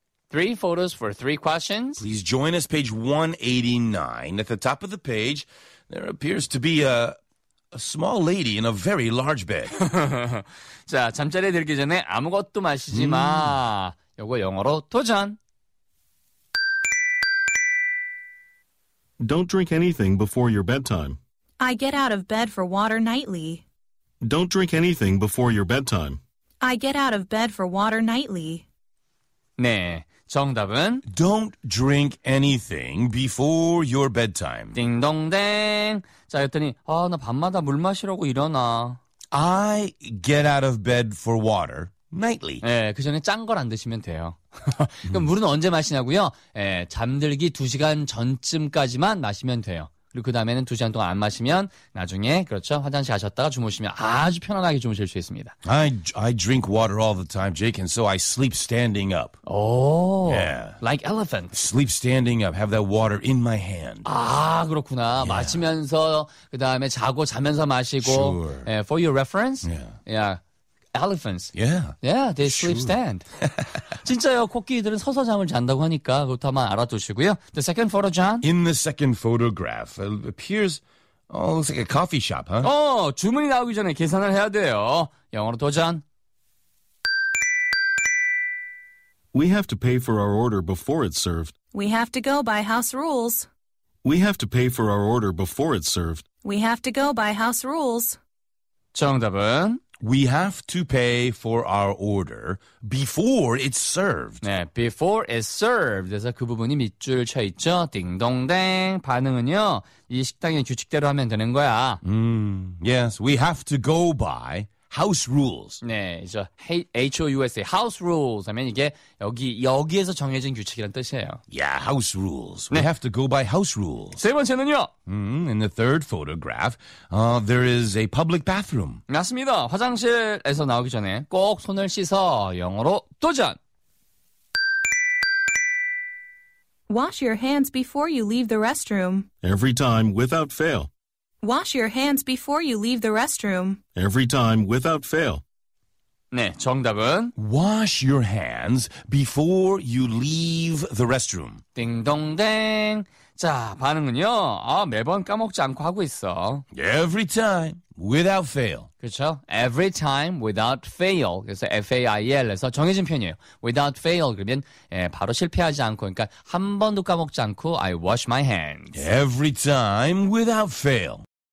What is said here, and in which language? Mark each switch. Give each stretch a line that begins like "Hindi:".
English: Three photos for three questions. Please join us, page 189. At the top of the page, there appears to be a small lady in a very large bed.
Korean: 자, 잠자리에 들기 전에 아무것도 마시지 마. 요거 영어로 도전.
English: Don't drink anything before your bedtime. I get out of bed for water nightly. Don't drink anything before your bedtime. I get out of bed for water nightly.
Korean: 네, 정답은?
English: Don't drink anything before your bedtime.
Korean: 띵동댕. 자, 그랬더니, 아, 나 밤마다 물 마시려고 일어나.
English: I get out of bed for water nightly.
Korean: 네, 그 전에 짠 걸 안 드시면 돼요. 그럼 물은 언제 마시냐고요? 네, 잠들기 2시간 전쯤까지만 마시면 돼요. 그리고 그 다음에는 2시간 동안 안 마시면 나중에 그렇죠 화장실 가셨다가 주무시면 아주 편안하게 주무실 수 있습니다.
English: I drink water all the time, Jake, and so I sleep standing up. Oh, yeah, like elephant. Sleep standing up, have that water in my hand.
Korean: 아 그렇구나. Yeah. 마시면서 그 다음에 자고 자면서 마시고.
English: Sure. Yeah, for your reference, yeah. Yeah. Elephants. Yeah. Yeah, they sleep sure. stand.
Korean: 진짜요, 코끼리들은 서서 잠을 잔다고 하니까 그렇다만 알아두시고요.
English: The second photo, John? In the second photograph, it appears, oh, looks like a coffee shop, huh?
Korean: 어, 주문이 나오기 전에 계산을 해야 돼요. 영어로 도전.
English: We have to pay for our order before it's served. We have to go by house rules. We have to pay for our order before it's served. We have to go by house rules.
Korean: 정답은?
English: We have to pay for our order before it's served. 네, before it's served.
Korean: 그래서 그 부분이 밑줄 쳐 있죠. 띵동댕. 반응은요. 이 식당의 규칙대로 하면 되는 거야.
English: Yes, we have to go by house rules.
Korean: 네, 이제 H-O-U-S-A, house rules 하면 이게 여기에서 정해진 규칙이란 뜻이에요.
English: Yeah, house rules. We 네. have to go by house rules.
Korean: 세 번째는요.
English: In the third photograph, there is a public bathroom.
Korean: 맞습니다. 화장실에서 나오기 전에 꼭 손을 씻어 영어로 도전.
English: Wash your hands before you leave the restroom. Every time, without fail. Wash your hands before you leave the restroom. Every time, without fail.
Korean: 네, 정답은?
English: Wash your hands before you leave the restroom.
Korean: 띵동댕. 자, 반응은요? 아, 매번 까먹지 않고 하고 있어.
English: Every time, without fail.
Korean: 그렇죠?
English: Every time, without fail.
Korean: 그래서 F-A-I-L에서 정해진 표현이에요. Without fail, 그러면 예, 바로 실패하지 않고, 그러니까 한 번도 까먹지 않고
English: I wash my hands. Every time, without fail.